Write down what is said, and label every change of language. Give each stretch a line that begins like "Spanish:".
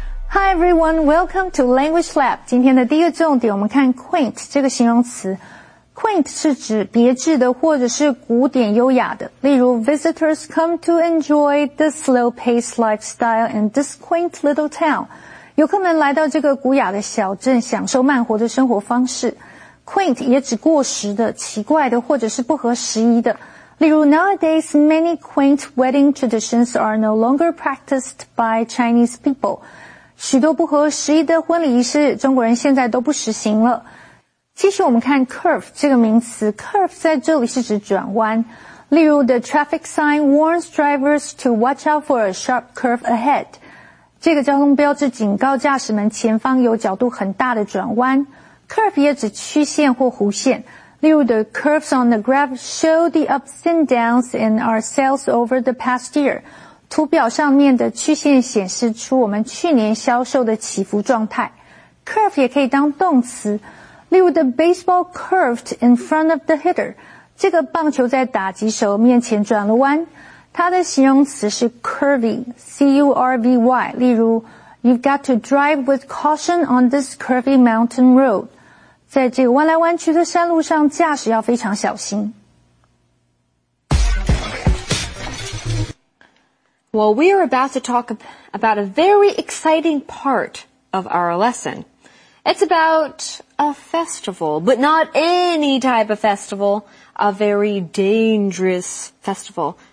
English: Hi everyone, welcome to Language Lab.
Chinese: 今天的第一个重点，我们看 quaint 这个形容词。 Quaint 是指别致的或者是古典优雅的。例如
English: ,visitors come to enjoy the slow-paced lifestyle in this quaint little town.
Chinese: 游客们来到这个古雅的小镇享受慢活的生活方式。 Quaint 也指过时的、奇怪的或者是不合时宜的。例如
English: ,nowadays many quaint wedding traditions are no longer practiced by Chinese people.
Chinese: 许多不合时宜的婚礼仪式中国人现在都不实行了。继续我们看 curve 这个名词 curve 在这里是指转弯。例如
English: the traffic sign warns drivers to watch out for a sharp curve ahead.
Chinese: 这个交通标志警告驾驶们前方有角度很大的转弯。 curve 也指曲线或弧线。例如
English: the curves on the graph show the ups and downs in our sales over the past year.
Chinese: 图表上面的曲线显示出我们去年销售的起伏状态。 Curve 也可以当动词。例如
English: the baseball curved in front of the hitter.
Chinese: 这个棒球在打击手面前转了弯。它的形容词是 curvy, C-U-R-V-Y. 例如
English: you've got to drive with caution on this curvy mountain road.
Chinese: 在这个弯来弯曲的山路上驾驶要非常小心。
English: Well, we are about to talk about a very exciting part of our lesson. It's about a festival, but not any type of festival, a very dangerous festival.